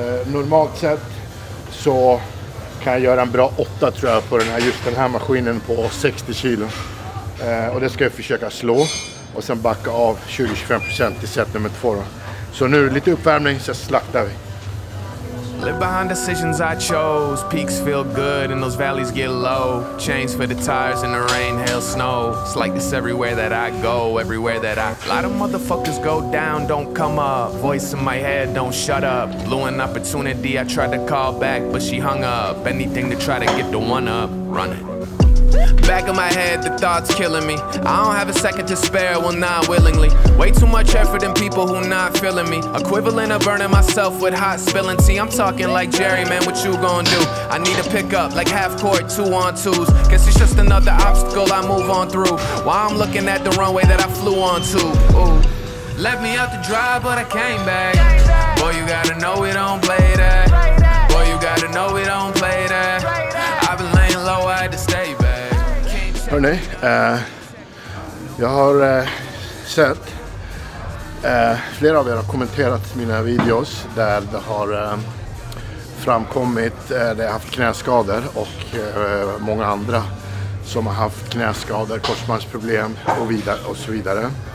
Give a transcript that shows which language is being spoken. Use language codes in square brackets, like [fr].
[sv] Normalt sett så kan jag göra en bra 8 tror jag på den här, just den här maskinen på 60 kilo. Och det ska jag försöka slå. Och sen backa av 20-25% till set nummer 2 då. Så nu lite uppvärmning, så slaktar vi. [en] Live behind decisions I chose. Peaks feel good and those valleys get low. Chains for the tires in the rain, hail, snow. It's like this everywhere that I go, everywhere that I... A lot of motherfuckers go down, don't come up. Voice in my head, don't shut up. Blew an opportunity, I tried to call back, but she hung up. Anything to try to get the one up. run it. Back of my head, the thoughts killing me. I don't have a second to spare, well, not willingly. Way too much effort in people who not feeling me. Equivalent of burning myself with hot spilling tea. I'm talking like Jerry, man, what you gonna do? I need a pickup, like half court, two on twos. Guess it's just another obstacle I move on through. While I'm looking at the runway that I flew on to. Ooh. Left me out to dry, but I came back. Boy, you gotta know we don't play that. Boy, you gotta know we don't play that. I've been laying low, I had to stay back. [sv] Hörrni, jag har sett flera av er har kommenterat mina videos där det har framkommit att jag har haft knäskador och många andra som har haft knäskador, korsbandsproblem och, vidare, och så vidare.